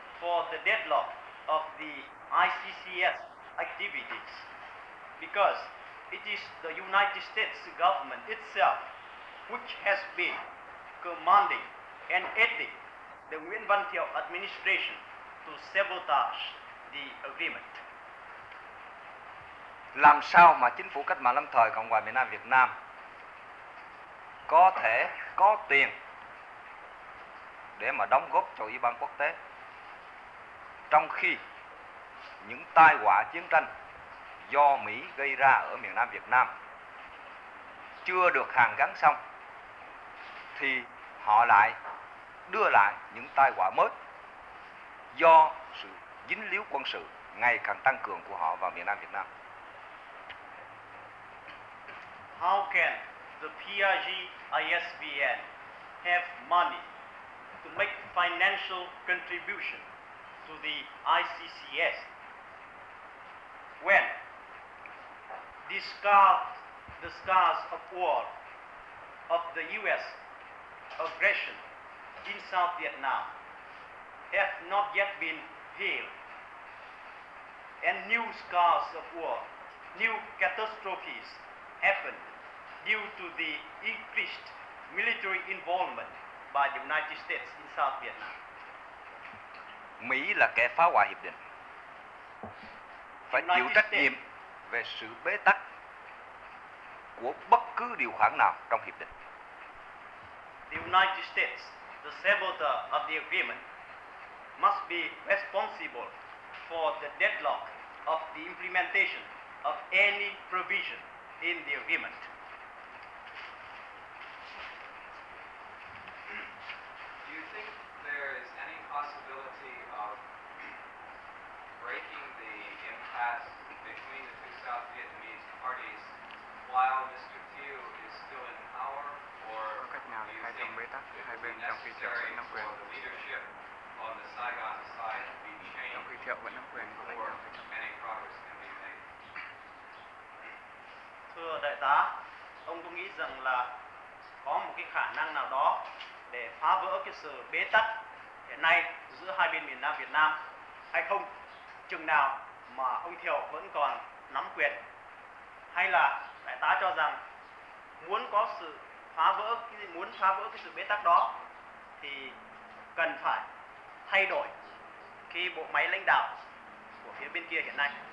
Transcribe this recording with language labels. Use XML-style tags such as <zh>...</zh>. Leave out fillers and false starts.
<en>for the deadlock of the ICCS activities, because it is the United States government itself which has been commanding and aiding the Nguyen Van Thieu administration to sabotage the agreement.</en> <vi>Làm sao mà chính phủ cách mạng lâm thời Cộng hòa miền Nam Việt Nam có thể có tiền để mà đóng góp cho Ủy ban quốc tế, trong khi những tai họa chiến tranh do Mỹ gây ra ở miền Nam Việt Nam chưa được hàn gắn xong, thì họ lại đưa lại những tai họa mới do sự dính líu quân sự ngày càng tăng cường của họ vào miền Nam Việt Nam.</vi> <en>How can the PRG ISBN have money to make financial contribution to the ICCS when the scars of war, of the US aggression in South Vietnam have not yet been healed, and new scars of war, new catastrophes happened due to the increased military involvement by the United States in South Vietnam?</en> <vi>Mỹ là kẻ phá hoại hiệp định, phải United chịu trách nhiệm về sự bế tắc của bất cứ điều khoản nào trong hiệp định.</vi> <en>The United States, the saboteur of the agreement, must be responsible for the deadlock of the implementation of any provision in the agreement. Do you think there is any possibility of breaking the impasse between the two South Vietnamese parties while Mr. Thieu is still in power, or do you think it would be necessary for the leadership on the Saigon side to be changed before any progress can be made?</en> <vi>Thưa đại tá, ông có nghĩ rằng là có một cái khả năng nào đó để phá vỡ cái sự bế tắc hiện nay giữa hai bên miền Nam Việt Nam hay không? Chừng nào mà ông Thiệu vẫn còn nắm quyền? Hay là đại tá cho rằng muốn có sự phá vỡ, muốn phá vỡ cái sự bế tắc đó thì cần phải thay đổi cái bộ máy lãnh đạo của phía bên kia hiện nay?</vi>